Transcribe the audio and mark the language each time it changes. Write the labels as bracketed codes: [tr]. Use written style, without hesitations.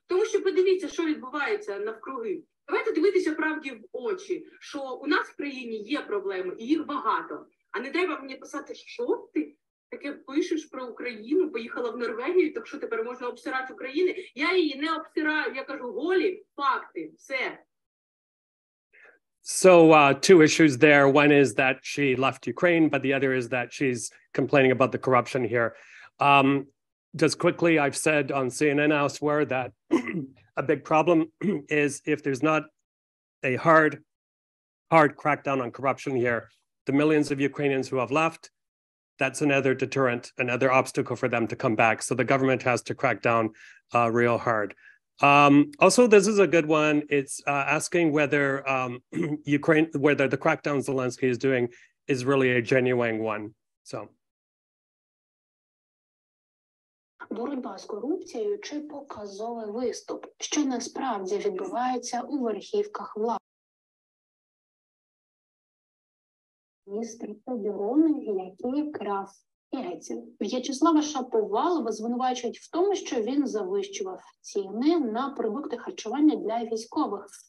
[uk] Тому що подивіться, що відбувається навкруги. Давайте дивитися правді в очі, що у нас в країні є проблеми, і їх багато. А не треба мені писати, що ти таке пишеш про Україну, поїхала в Норвегію, так що тепер можна обсирати України. Я її не обсираю, я кажу голі факти, все. [en] So two issues there. One is that she left Ukraine, but the other is that she's complaining about the corruption here. Just quickly, I've said on CNN elsewhere that a big problem is if there's not a hard crackdown on corruption here, the millions of Ukrainians who have left, that's another deterrent, another obstacle for them to come back. So the government has to crack down real hard. Also, this is a good one. It's asking whether Ukraine, whether the crackdown Zelensky is doing is really a genuine one. So. [uk] Боротьба з корупцією чи показовий виступ, що насправді відбувається у верхівках влади. Міністр оборони, який крав яйця. В'ячеслава Шаповалова звинувачують в тому, що він завищував ціни на продукти харчування для військових.